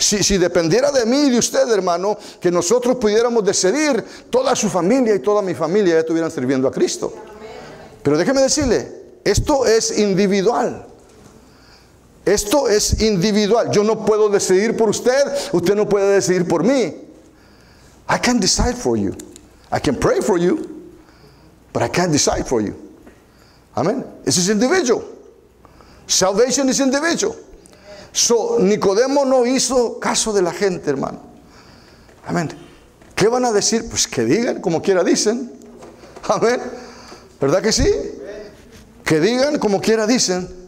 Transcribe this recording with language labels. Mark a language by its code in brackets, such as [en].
[es] Si dependiera de mí y de usted, hermano, que nosotros pudiéramos decidir, toda su familia y toda mi familia ya estuvieran sirviendo a Cristo. Pero déjeme decirle, esto es individual. Esto es individual. Yo no puedo decidir por usted, usted no puede decidir por mí. [en] I can't decide for you. I can pray for you, but I can't decide for you. Amen. This is individual. Salvation is individual. [es] So, Nicodemo no hizo caso de la gente, hermano. Amen. ¿Qué van a decir? Pues que digan, como quiera dicen. Amen. ¿Verdad que sí? Que digan, como quiera dicen.